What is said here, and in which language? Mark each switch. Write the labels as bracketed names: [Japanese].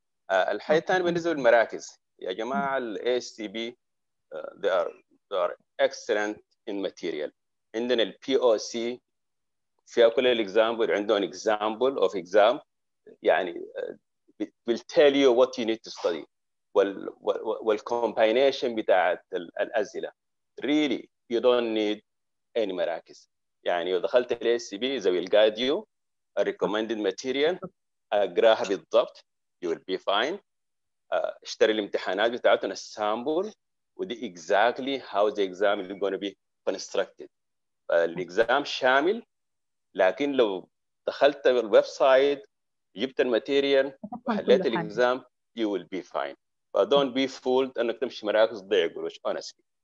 [Arabic] الحاجة الثانية بالنسبة للمراكز، يا جماعة الـ ACB [English] they are excellent in material. [Arabic] عندنا الـ POC فيها كل الإكزامبل، عندهم إكزامبل أوف إكزام، يعني [English] will tell you what you need to study. [Arabic] والكومباينيشن بتاعت الأسئلة [English] really you don't need any مراكز. [Arabic] يعني لو دخلت الـ [English] ACB they will guide you a recommended material [Arabic] أقراها بالضبط [English] you will be fine. [Arabic] اشتري الامتحانات بتاعتهم السامبل ودي [English] exactly how the exam is going to be constructed. [Arabic] الاكزام شامل، لكن لو دخلت الويب سايت جبت الماتيريال وحليت الاكزام [English] you will be fine. But don't be fooled [Arabic] انك تمشي مراكز ضيع قروش honestly.